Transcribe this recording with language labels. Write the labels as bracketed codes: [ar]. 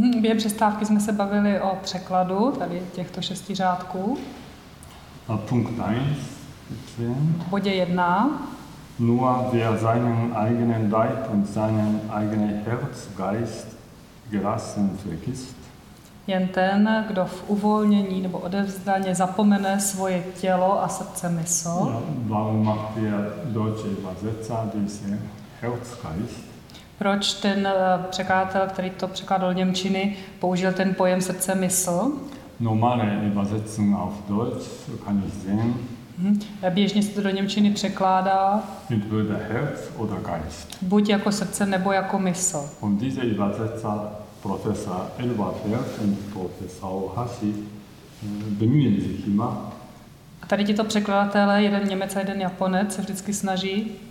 [cs] Během přestávky jsme se bavili o překladu tady těchto šesti řádků. [de] Punkt 1. [cs] V bodě 1. [de] Nur wer seinen eigenen Leib und seinen eigenen Herzgeist gelassen vergisst. [cs] Jen ten, kdo v uvolnění nebo odevzdaně zapomene svoje tělo a srdce mysl. [de] Warum macht der deutsche Übersetzer diesen Herzgeist? [cs] Proč ten překladatel, který to překládal němčiny, použil ten pojem srdce mysl? [de] Normale Übersetzung auf Deutsch kann ich sehen. [cs] Běžně se to do němčiny překládá. [de] Entweder Herz oder Geist. [cs] Buď jako srdce nebo jako mysl. [de] Und diese Übersetzer Professor Edward Herz und Professor Hasi bemühen sich immer. [cs] A tady tyto překladatelé, jeden Němec a jeden Japonec, se vždycky snaží.